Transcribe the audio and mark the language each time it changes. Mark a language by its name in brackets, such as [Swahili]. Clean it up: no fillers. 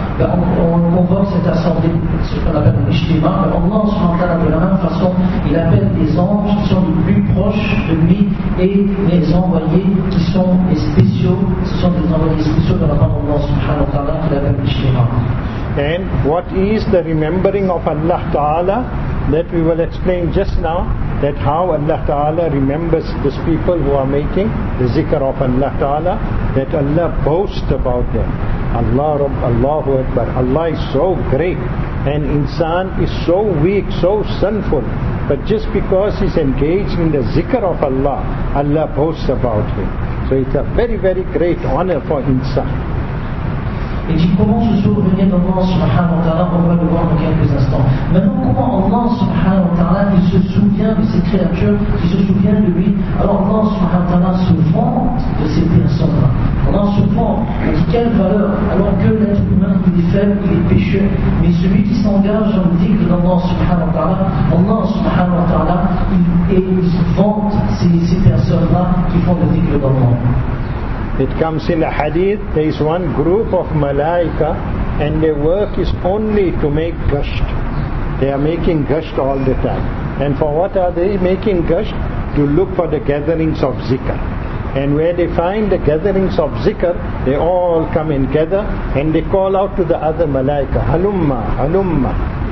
[French] Ben, on convoque cette assemblée, ce qu'on appelle l'ijtima. Allah subhanahu wa ta'ala, de la même façon, il appelle les anges qui sont les plus proches de lui et les envoyés qui sont les spéciaux. Ce sont des envoyés spéciaux de la part d'Allah subhanahu wa ta'ala qu'il appelle l'ijtima. [English] And what is the remembering of Allah Ta'ala? That we will explain just now, that how Allah Ta'ala remembers these people who are making the zikr of Allah Ta'ala, that Allah boasts about them. Allah Rabb, Allahu Akbar, Allah is so great, and insan is so weak, so sinful. But just because he's engaged in the zikr of Allah, Allah boasts about him. So it's a very, very great honor for insan. [French] Et dit comment se souvenir d'Allah subhanahu wa ta'ala, on va le voir dans quelques instants. Maintenant, comment Allah subhanahu wa ta'ala il se souvient de ces créatures, qui se souvient de lui? Alors Allah subhanahu wa ta'ala se vante de ces personnes-là. Allah se vante de quelle valeur, alors que l'être humain il est faible, il est pécheur. Mais celui qui s'engage dans le dhikr d'Allah subhanahu wa ta'ala, Allah subhanahu wa ta'ala il se vante ces personnes-là qui font le dhikr d'Allah. [English] It comes in a hadith, there is one group of malaika and their work is only to make gusht. They are making gusht all the time. And for what are they making gusht? To look for the gatherings of zikr. And where they find the gatherings of zikr, they all come and gather and they call out to the other malaika, halumma, halumma.